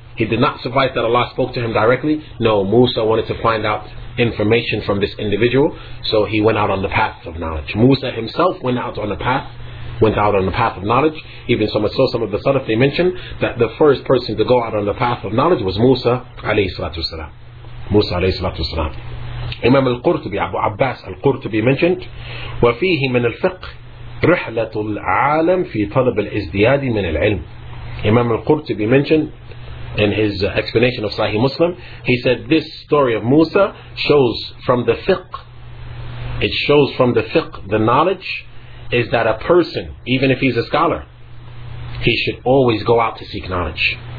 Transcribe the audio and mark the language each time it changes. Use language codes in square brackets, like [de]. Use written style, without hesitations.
[en] He did not suffice that Allah spoke to him directly. No, Musa wanted to find out information from this individual. So he went out on the path of knowledge. Musa himself went out on the path of knowledge. Even so much so, some of the Salaf, they mentioned that the first person to go out on the path of knowledge was Musa alayhi salatu wasalam. Musa alayhi salatu wasalam. Imam al-Qurtubi, Abu Abbas al-Qurtubi mentioned, [ar] وَفِيهِ مِنَ الْفِقْهِ رِحْلَةُ الْعَالَمِ فِي طَلَبِ الْإِزْدِيَادِ مِنَ الْعِلْمِ. [en] Imam al-Qurtubi mentioned, in his explanation of Sahih Muslim, he said this story of Musa shows from the fiqh. It shows from the fiqh, the knowledge is that a person, even if he's a scholar, he should always go out to seek knowledge.